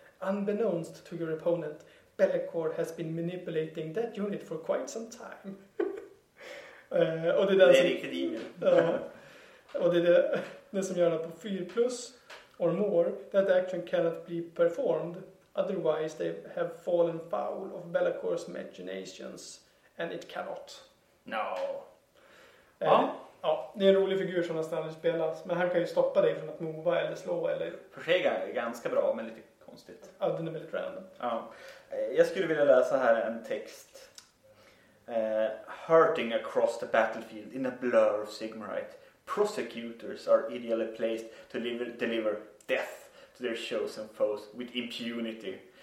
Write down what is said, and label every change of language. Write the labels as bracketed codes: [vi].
[en] Unbeknownst to your opponent, Bellacor has been manipulating that unit for quite some time. [sv] Och det är riktigt emil. Och det är det som gör att på [en] 4 plus or more, that action cannot be performed. Otherwise they have fallen foul of Bellacore's imaginations and it cannot. No. [sv] Ja, det är en rolig figur som nästan aldrig spelas. Men han kan ju stoppa dig från att mova eller slå. Eller... För sig är ganska bra, men lite konstigt. Ja, den är väldigt random. Ja. Jag skulle vilja läsa här en text. [en] Hurting across the battlefield in a blur of Sigmarite. Prosecutors are ideally placed to deliver death to their chosen foes with impunity.